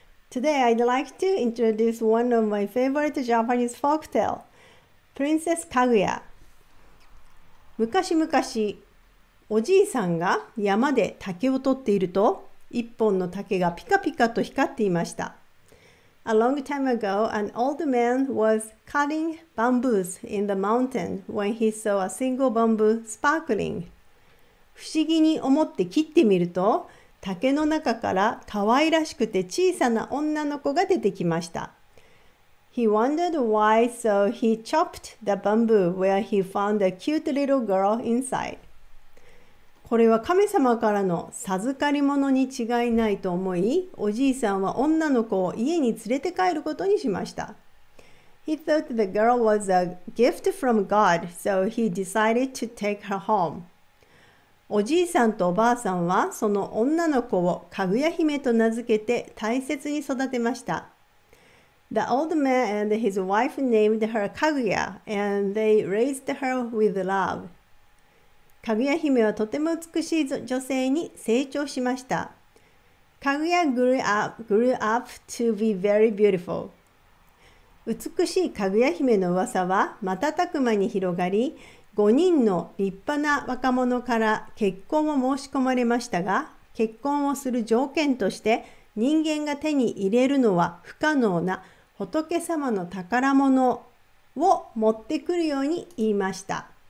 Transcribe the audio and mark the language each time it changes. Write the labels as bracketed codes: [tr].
[en] Today, I'd like to introduce one of my favorite Japanese folk tale. [ja] プリンセスかぐや。昔々、おじいさんが山で竹を取っていると、一本の竹がピカピカと光っていました。 [en] A long time ago, an old man was cutting bamboos in the mountain when he saw a single bamboo sparkling. [ja] 不思議に思って切ってみると、竹の中から可愛らしくて小さな女の子が出てきました。 [en] He wondered why, so he chopped the bamboo where he found a cute little girl inside. [ja] これは神様からの授かり物に違いないと思い、おじいさんは女の子を家に連れて帰ることにしました。 [en] He thought the girl was a gift from God, so he decided to take her home. [ja] おじいさんとおばあさんはその女の子をかぐや姫と名付けて大切に育てました。 [en] The old man and his wife named her Kaguya, and they raised her with love. [ja] かぐや姫はとても美しい女性に成長しました。 [en] かぐや grew up to be very beautiful. [ja] 美しいかぐや姫の噂は瞬く間に広がり、5人の立派な若者から結婚を申し込まれましたが、結婚をする条件として人間が手に入れるのは不可能な仏様の宝物を持ってくるように言いました。